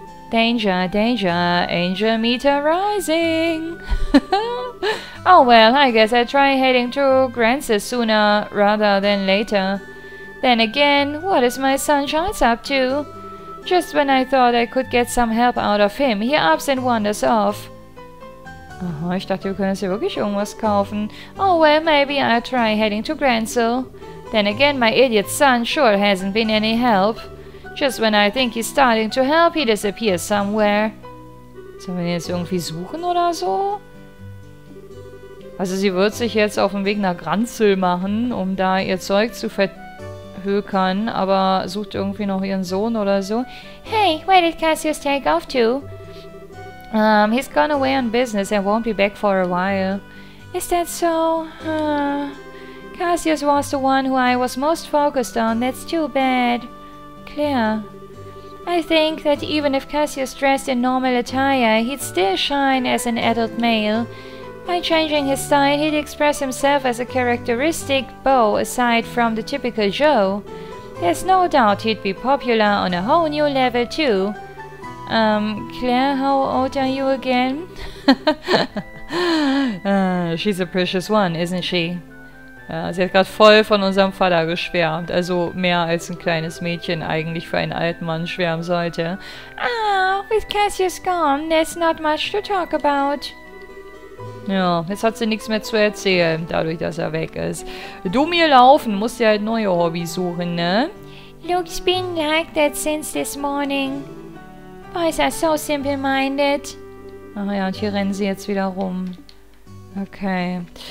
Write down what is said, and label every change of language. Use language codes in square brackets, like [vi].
[en] Danger, danger, angel meter rising! Oh well, I guess I'll try heading to Grance's sooner rather than later. Then again, what is my son Charles up to? Just when I thought I could get some help out of him, he ups and wanders off. [de] Aha, ich dachte, wir können uns hier wirklich irgendwas kaufen. [en] Oh well, maybe I'll try heading to Grenzel. Then again, my idiot son sure hasn't been any help. Just when I think he's starting to help, he disappears somewhere. [de] Sollen wir ihn jetzt irgendwie suchen oder so? Also sie wird sich jetzt auf den Weg nach Grenzel machen, um da ihr Zeug zu verhökern, aber sucht irgendwie noch ihren Sohn oder so. [en] Hey, where did Cassius take off to? He's gone away on business and won't be back for a while. Is that so? Cassius was the one who I was most focused on. That's too bad. Claire. I think that even if Cassius dressed in normal attire, he'd still shine as an adult male. By changing his style, he'd express himself as a characteristic beau aside from the typical Joe. There's no doubt he'd be popular on a whole new level too. Claire, how old are you again? She's a precious one, isn't she? [de] Ja, sie hat gerade voll von unserem Vater geschwärmt. Also mehr als ein kleines Mädchen eigentlich für einen alten Mann schwärmen sollte. [en] Ah, with Cassius gone, there's not much to talk about. [de] Ja, jetzt hat sie nichts mehr zu erzählen, dadurch, dass er weg ist. Dumm hier laufen, musst dir halt neue Hobbys suchen, ne? [en] Luke's been like that since this morning. Boys are so simple-minded. [de] Ach ja, und hier rennen sie jetzt wieder rum. Okay.